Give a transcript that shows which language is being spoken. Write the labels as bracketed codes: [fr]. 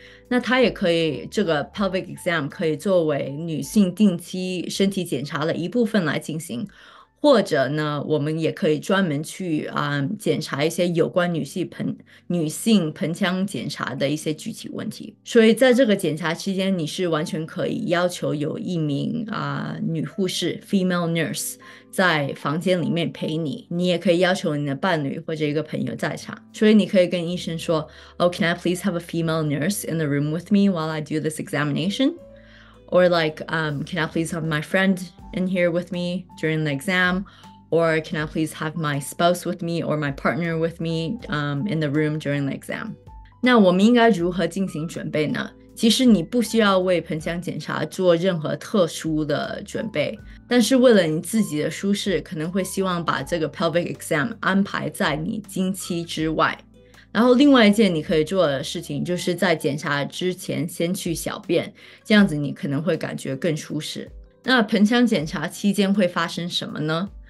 [zh] 那它也可以，这个 pelvic exam 可以作为女性定期身体检查的一部分来进行，或者呢，我们也可以专门去检查一些有关女性盆腔检查的一些具体问题。所以在这个检查期间，你是完全可以要求有一名女护士 （female nurse） 在房间里面陪你。你也可以要求你的伴侣或者一个朋友在场。所以你可以跟医生说：“ [en] Oh, can I please have a female nurse in the room with me while I do this examination？” Or like, can I please have my friend in here with me during the exam? Or can I please have my spouse with me or my partner with me, in the room during the exam? [zh] 那我们应该如何进行准备呢？其实你不需要为盆腔检查做任何特殊的准备，但是为了你自己的舒适，可能会希望把这个 pelvic exam 安排在你经期之外。然后，另外一件你可以做的事情，就是在检查之前先去小便，这样子你可能会感觉更舒适。那盆腔检查期间会发生什么呢？